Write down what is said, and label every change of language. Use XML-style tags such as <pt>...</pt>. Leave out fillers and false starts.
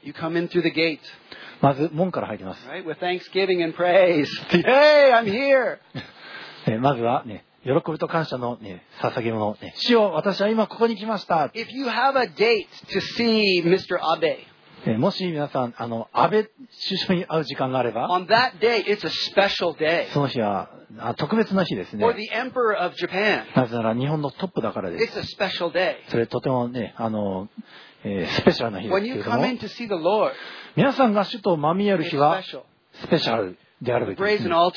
<en>you come in through the gate.</en> <ja>まず門から入ります。</ja> <en>right? With thanksgiving and praise. Hey, I'm here.</en> <ja>まずは、ね、喜びと感謝の、ね、捧げ物、ね、主よ、私は今ここに来ました。</ja> <en>If you have a date to see Mr. Abe,</en> <ja>もし皆さん安倍首相に会う時間があれば、</ja> <en>on that day, it's a special day.</en> <ja>その日は特別な日ですね。</ja> <en>Or the Emperor of Japan.</en> <ja>なぜなら日本のトップだからです。</ja> <en>It's a special day.</en> <ja>それとてもね、スペシャルな日ですけども、皆さんが主とまみえる日はスペシャルであるべきです、ね、</ja>